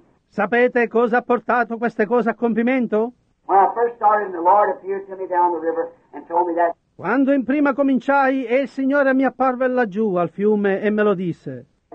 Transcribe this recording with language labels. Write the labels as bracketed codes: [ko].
[it] Sapete cosa ha portato queste cose a compimento? [en] When I first started, the Lord appeared to me down the river and told me that. [it] Quando in prima cominciai e il Signore mi apparve laggiù al fiume e me lo disse.